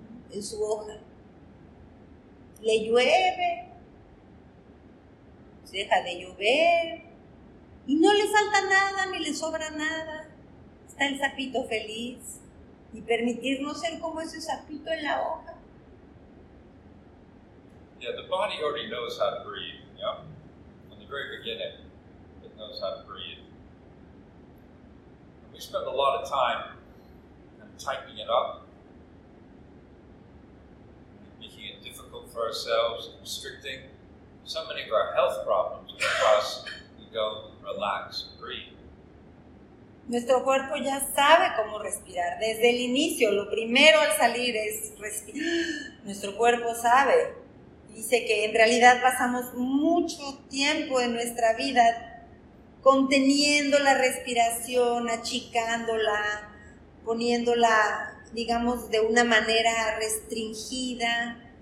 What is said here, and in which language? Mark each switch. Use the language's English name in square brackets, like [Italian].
[Spanish] en su hoja, le llueve, se deja de llover, y no le falta nada ni le sobra nada, está el sapito feliz. Y permitirnos ser como ese sapito en la hoja. [English] Yeah, the body already knows how to breathe, yeah? From the very beginning, it knows how to breathe. And we spend a lot of time tightening it up, making it difficult for ourselves, constricting. So many of our health problems are because we don't relax and breathe. [Spanish] Nuestro cuerpo ya sabe cómo respirar. Desde el inicio, lo primero al salir es respirar. Nuestro cuerpo sabe. Dice que en realidad pasamos mucho tiempo en nuestra vida conteniendo la respiración, achicándola, poniéndola, digamos, de una manera restringida.